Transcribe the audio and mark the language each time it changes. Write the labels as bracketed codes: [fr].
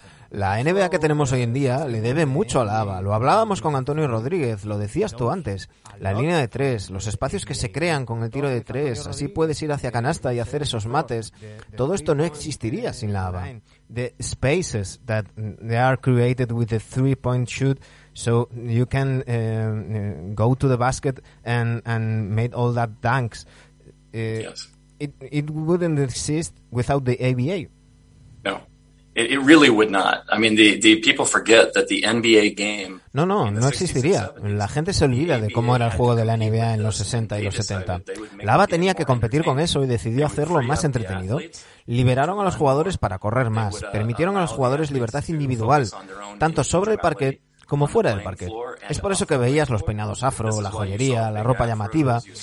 [es] La NBA que tenemos hoy en día le debe mucho a la ABA. Lo hablábamos con Antonio Rodríguez, lo decías tú antes. La línea de tres, los espacios que se crean con el tiro de tres, así puedes ir hacia canasta y hacer esos mates. Todo esto no existiría sin la ABA. [en] The spaces that they are created with the three-point shoot, so you can go to the basket and make all that dunks. Yes. It wouldn't exist without the ABA. No. It really would not. I mean, the people forget that the NBA game. [es] No existiría. La gente se olvida de cómo era el juego de la NBA en los 60 y los 70. La ABA tenía que competir con eso y decidió hacerlo más entretenido. Liberaron a los jugadores para correr más. Permitieron a los jugadores libertad individual, tanto sobre el parquet como fuera del parquet. Es por eso que veías los peinados afro, la joyería, la ropa llamativa.